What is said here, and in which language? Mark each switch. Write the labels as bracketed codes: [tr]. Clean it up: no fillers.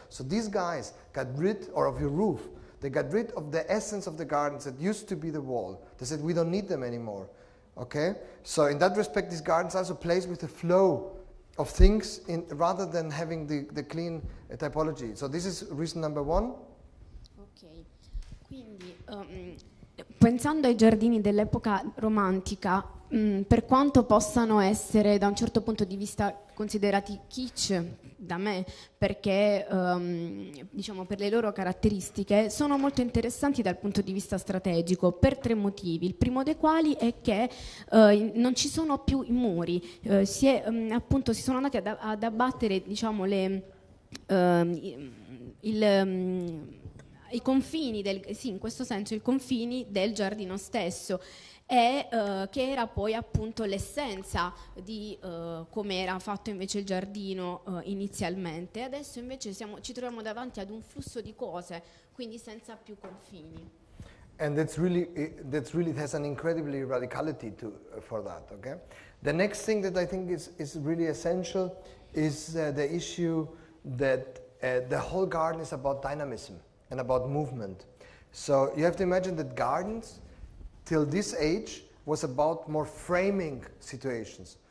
[en] So these guys got rid, or of your roof, they got rid of the essence of the gardens that used to be the wall. They said, we don't need them anymore. Okay? So in that respect, these gardens also play with the flow of things in, rather than having the clean typology. So this is reason number one. Okay. [it] Quindi, pensando ai giardini dell'epoca romantica, per quanto possano essere da un certo punto di vista considerati kitsch da me, perché diciamo per le loro caratteristiche, sono molto interessanti dal punto di vista strategico per tre motivi. Il primo dei quali è che non ci sono più i muri, si sono andati ad abbattere, diciamo, i confini del, sì, in questo senso i confini del giardino stesso, e che era poi appunto l'essenza di come era fatto invece il giardino inizialmente. Adesso invece ci troviamo davanti ad un flusso di cose, quindi senza più confini. [en] And that's really it has an incredibly radicality to for that, okay? The next thing that I think is really essential is the issue that the whole garden is about dynamism and about movement. So you have to imagine that gardens till this age was about more framing situations.